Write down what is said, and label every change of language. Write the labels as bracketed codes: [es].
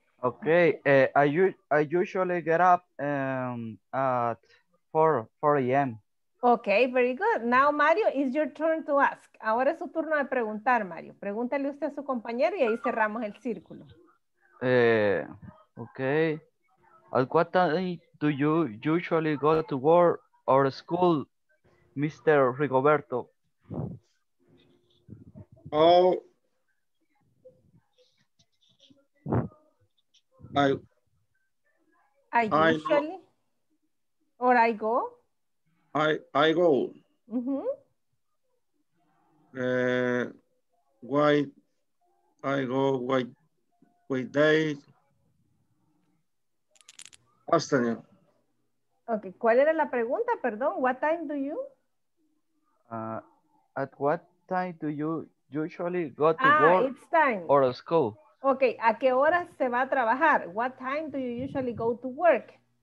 [en] Okay, I usually get up at 4 a.m. Okay, very good. Now, Mario, it's your turn to ask. [es] Ahora es su turno de preguntar, Mario. Pregúntale usted a su compañero y ahí cerramos el círculo. [en] Okay. At what time do you usually go to work or school, Mr. Rigoberto? Oh. I usually go. I go. Mm-hmm. Why day? Afternoon. [es] Okay, ¿cuál era la pregunta? Perdón, [en] what time do you? At what time do you usually go to work it's time. Or school? [es] Okay, ¿a qué hora se va a trabajar? [en] What time do you usually go to work?